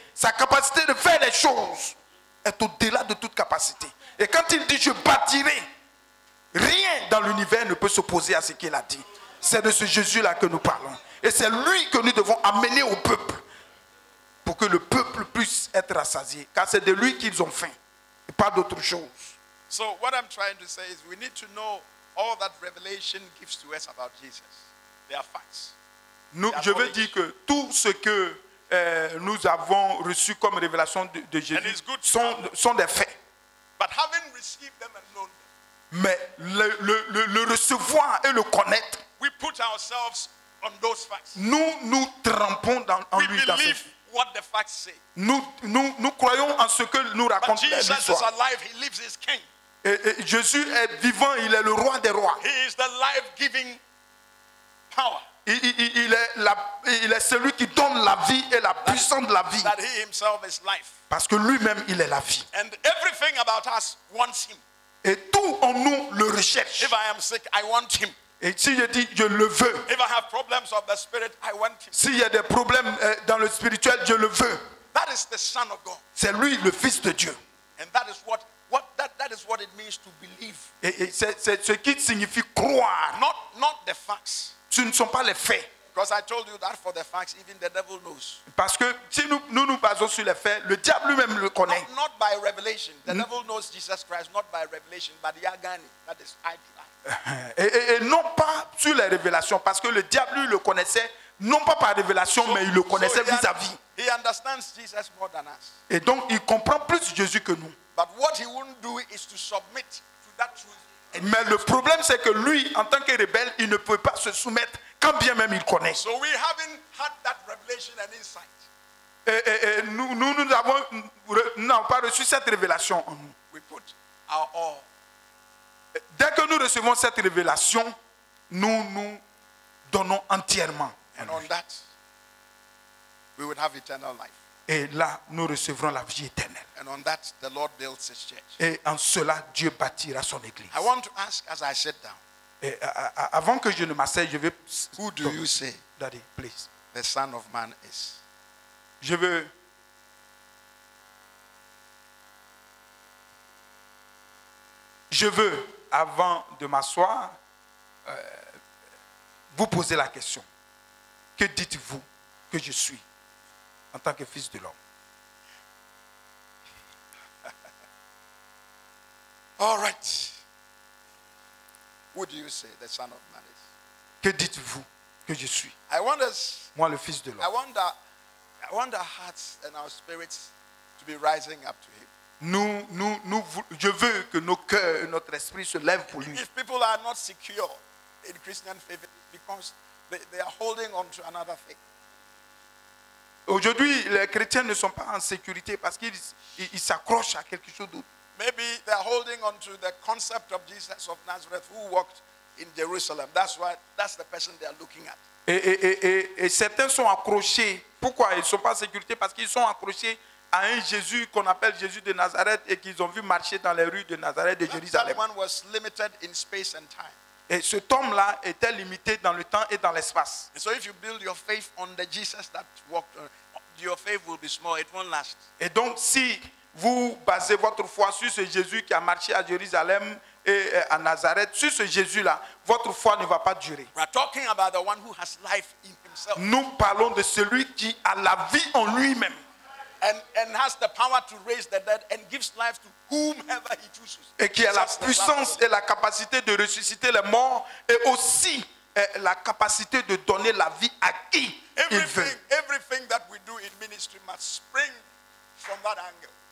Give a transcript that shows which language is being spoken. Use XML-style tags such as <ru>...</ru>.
<fr>Sa capacité de faire les choses est au-delà de toute capacité. Et quand il dit je bâtirai, rien dans l'univers ne peut s'opposer à ce qu'il a dit. C'est de ce Jésus-là que nous parlons. Et c'est lui que nous devons amener au peuple pour que le peuple puisse être rassasié. Car c'est de lui qu'ils ont faim. Et pas d'autre chose.</fr> <en>So what I'm trying to say is we need to know all that revelation gives to us about Jesus. They are facts.</en> <fr>Je veux dire que tout ce que nous avons reçu comme révélation de Jésus sont des faits.</fr> <en>But having received them and known them,</en> <fr>mais le recevoir et le connaître,</fr> <en>we put ourselves on those facts.</en> <fr>Nous trempons en lui.</fr> <en>We believe what the facts say.</en> <fr>Nous croyons en ce que nous raconte l'histoire.</fr> <en>But Jesus is alive. He lives as king.</en> <fr>Et Jésus est vivant. Il est le roi des rois.</fr> <en>He is the life-giving power.</en> <fr>Il est celui qui donne la vie et la puissance de la vie.</fr> <en>That he himself is life.</en> <fr>Parce que lui-même il est la vie.</fr> <en>And everything about us wants him.</en> <fr>Et tout en nous le recherche.</fr> <en>If I am sick, I want him.</en> <fr>Et si je dis je le veux.</fr> <en>If I have problems of the spirit, I want him.</en> <fr>S'il y a des problèmes dans le spirituel, je le veux.</fr> <en>That is the son of God.</en> <fr>C'est lui le fils de Dieu.</fr> <en>And that is what is what it means to believe.</en> <fr>Et c'est ce qui signifie croire.</fr> <en>Not the facts.</en> <fr>Ce ne sont pas les faits.</fr> <en>Because I told you that for the facts, even the devil knows.</en> <fr>Parce que si nous basons sur les faits, le diable lui-même le connaît.</fr> <en>Not by revelation. The devil knows Jesus Christ not by revelation, but yagani, that is idea.</en> <fr>Et non pas sur les révélations, parce que le diable lui le connaissait non pas par révélation, mais il le connaissait vis-à-vis.</fr> <en>He understands Jesus more than us.</en> <fr>Et donc il comprend plus Jésus que nous.</fr> <en>But what he wouldn't do is to submit to that truth.</en> <fr>Mais le problème c'est que lui, en tant que rebelle, il ne peut pas se soumettre quand bien même il connaît.</fr> <en>So we haven't had that revelation and insight.</en> <fr>Nous n'avons pas reçu cette révélation en nous.</fr> <en>We put our all.</en> <fr>Dès que nous recevons cette révélation, nous donnons entièrement.</fr> <en>And on that, we would have eternal life.</en> <fr>Et là, nous recevrons la vie éternelle.</fr> <en>And on that, the Lord builds his church.</en> <fr>Et en cela, Dieu bâtira son église.</fr> <en>I want to ask as I sit down.</en> <fr>Et avant que je ne m'asseye, je vais.</fr> <en>Who do you say, Daddy, please? The Son of Man is.</en> <fr>Je veux. Je veux, avant de m'asseoir, vous poser la question. Que dites-vous que je suis en tant que fils de l'homme?</fr> <en>All right. Who do you say the son of man is?</en> <fr>Que dites-vous que je suis?</fr> <en>I wonder,</en> <fr>moi, le fils de l'homme.</fr> <en>I want our hearts and our spirits to be rising up to him.</en> <fr>Je veux que nos cœurs et notre esprit se lèvent pour lui.</fr> <en>If people are not secure in Christian faith, it's because they are holding on to another faith.</en> <fr>Aujourd'hui, les chrétiens ne sont pas en sécurité parce qu'ils s'accrochent à quelque chose d'autre.</fr> <en>Maybe they are holding on to the concept of Jesus of Nazareth who walked in Jerusalem. That's the person they are looking at.</en> <fr>Et certains sont accrochés. Pourquoi ils sont pas en sécurité? Parce qu'ils sont accrochés à un Jésus qu'on appelle Jésus de Nazareth et qu'ils ont vu marcher dans les rues de Nazareth et de Jérusalem.</fr> <en>That one was limited in space and time.</en> <fr>Et cet homme-là était limité dans le temps et dans l'espace.</fr> <en>So if you build your faith on the Jesus that walked, your faith will be small. It won't last.</en> <fr>Et donc, si vous basez votre foi sur ce Jésus qui a marché à Jérusalem et à Nazareth, sur ce Jésus-là, votre foi ne va pas durer.</fr> <en>We are talking about the one who has life in himself.</en> <fr>Nous parlons de celui qui a la vie en lui-même.</fr> <en>and has the power to raise the dead and gives life to whomever he chooses.</en> <fr>Et qui a la puissance et la capacité de ressusciter les morts et aussi la capacité de donner la vie à qui il veut.</fr> <en>Everything that we do in ministry must spring from that angle.</en>